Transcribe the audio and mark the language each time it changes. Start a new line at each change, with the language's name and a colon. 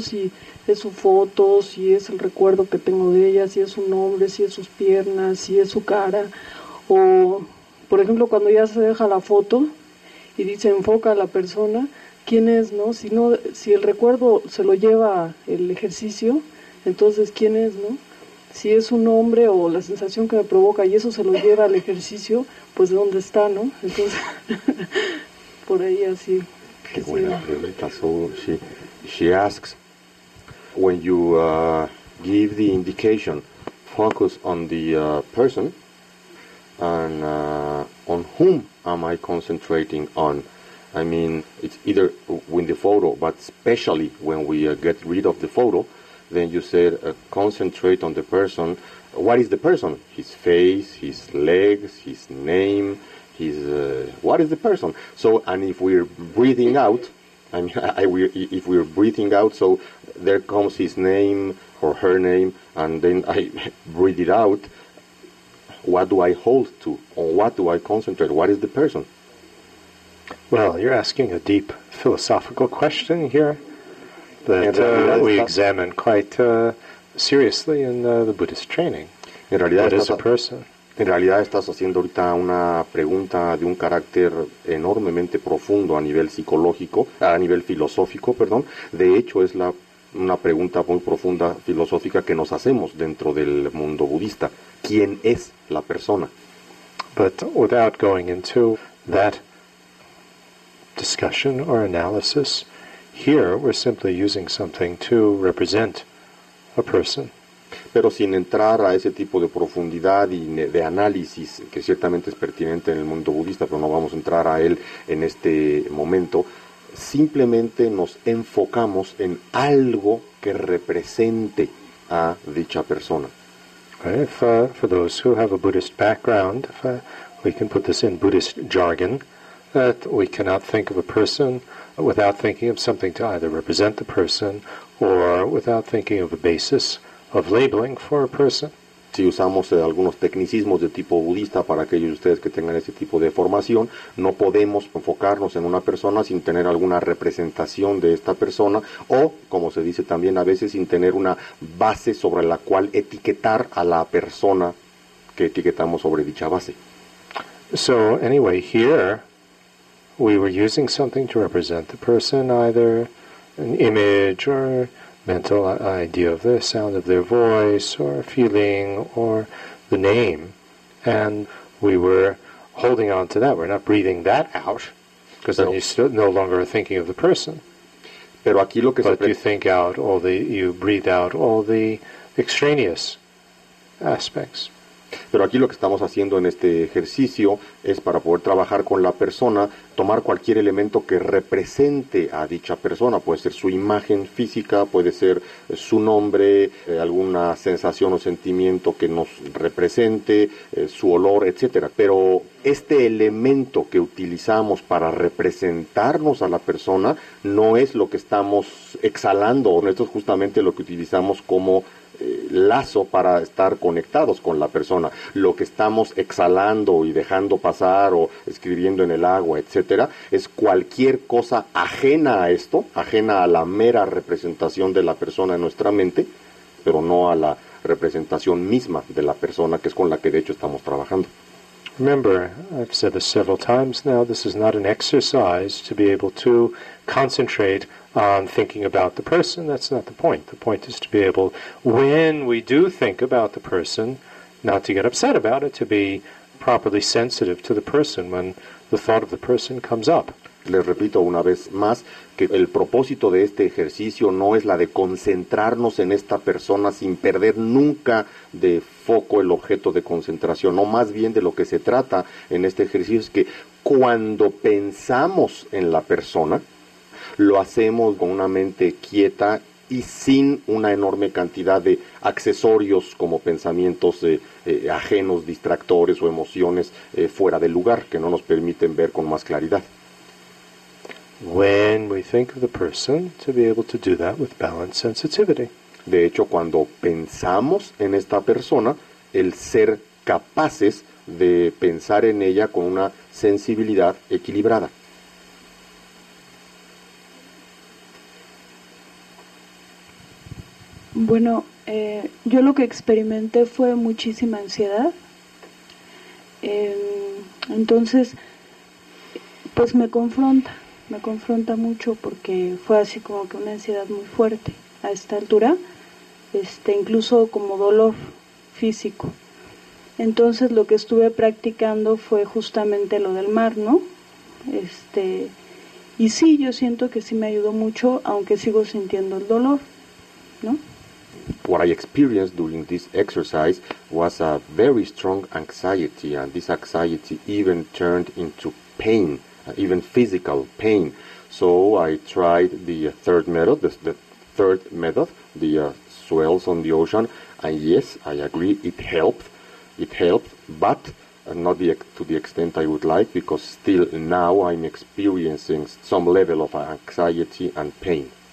Spanish: Si es su foto, si es el recuerdo que tengo de ella, si es su nombre, si es sus piernas, si es su cara, o por ejemplo cuando ya se deja la foto y dice enfoca a la persona, quién es, ¿no? Si el recuerdo se lo lleva el ejercicio, entonces quién es, ¿no? Si es un hombre o la sensación que me provoca y eso se lo lleva al ejercicio, pues dónde está, ¿no? Entonces por ahí así. Qué buena pregunta.
English: So she asks, when you give the indication, focus on the person and on whom am I concentrating on? I mean, it's either with the photo, but especially when we get rid of the photo, then you said concentrate on the person. What is the person? His face, his legs, his name, his... what is the person? So, and if we're breathing out, I mean, if we're breathing out, so there comes his name or her name, and then I breathe it out, what do I hold to? Or what do I concentrate? What is the person? Well, you're asking a deep philosophical question here that we examine quite seriously in the Buddhist training.
Spanish: En realidad,
English: what is a person?
Spanish: En realidad estás haciendo ahorita una pregunta de un carácter enormemente profundo a nivel psicológico, a nivel filosófico, perdón. De hecho, es una pregunta muy profunda filosófica que nos hacemos dentro del mundo budista. ¿Quién es la persona?
English: But without going into that discussion or analysis, here we're simply using something to represent a person.
Spanish: Pero sin entrar a ese tipo de profundidad y de análisis, que ciertamente es pertinente en el mundo budista, pero no vamos a entrar a él en este momento, simplemente nos enfocamos en algo que represente a dicha persona.
English: If, for those who have a Buddhist background, if, we can put this in Buddhist jargon, that we cannot think of a person without thinking of something to either represent the person or without thinking of a basis of labeling for a person.
Spanish: Si usamos algunos tecnicismos de tipo budista para aquellos de ustedes que tengan ese tipo de formación, no podemos enfocarnos en una persona sin tener alguna representación de esta persona o, como se dice también a veces, sin tener una base sobre la cual etiquetar a la persona que etiquetamos sobre dicha base.
English: So, anyway, here we were using something to represent the person, either an image or mental idea of the sound of their voice or feeling or the name, and we were holding on to that. We're not breathing that out, because then you're still no longer thinking of the person.
Spanish: Pero aquí lo que
English: you think out all the, you breathe out all the extraneous aspects.
Spanish: Pero aquí lo que estamos haciendo en este ejercicio es, para poder trabajar con la persona, tomar cualquier elemento que represente a dicha persona. Puede ser su imagen física, puede ser su nombre, alguna sensación o sentimiento que nos represente, su olor, etcétera. Pero este elemento que utilizamos para representarnos a la persona no es lo que estamos exhalando. Esto es justamente lo que utilizamos como lazo para estar conectados con la persona. Lo que estamos exhalando y dejando pasar o escribiendo en el agua, etcétera, es cualquier cosa ajena a esto, ajena a la mera representación de la persona en nuestra mente, pero no a la representación misma de la persona, que es con la que de hecho estamos trabajando.
English: Remember, I've said this several times now, this is not an exercise to be able to concentrate on thinking about the person. That's not the point. The point is to be able, when we do think about the person, not to get upset about it, to be properly sensitive to the person when the thought of the person comes up.
Spanish: Les repito una vez más que el propósito de este ejercicio no es la de concentrarnos en esta persona sin perder nunca de foco el objeto de concentración. No, más bien de lo que se trata en este ejercicio es que cuando pensamos en la persona, lo hacemos con una mente quieta y sin una enorme cantidad de accesorios como pensamientos ajenos, distractores o emociones fuera de lugar que no nos permiten ver con más claridad.
English: When we think of the person, to be able to do that with balanced sensitivity.
Spanish: De hecho, cuando pensamos en esta persona, el ser capaces de pensar en ella con una sensibilidad equilibrada. Bueno, yo lo que experimenté fue muchísima ansiedad. Entonces, pues me confronta mucho, porque fue así como que una ansiedad muy fuerte a esta altura, incluso como dolor físico. Entonces, lo que estuve practicando fue justamente lo del mar, ¿no? Y sí, yo siento que sí me ayudó mucho, aunque sigo sintiendo el dolor, ¿no?
English: What I experienced during this exercise was a very strong anxiety, and this anxiety even turned into pain, even physical pain. So I tried the third method, the swells on the ocean, and yes, I agree, it helped, but not to the extent I would like, because still now I'm experiencing some level of anxiety and pain.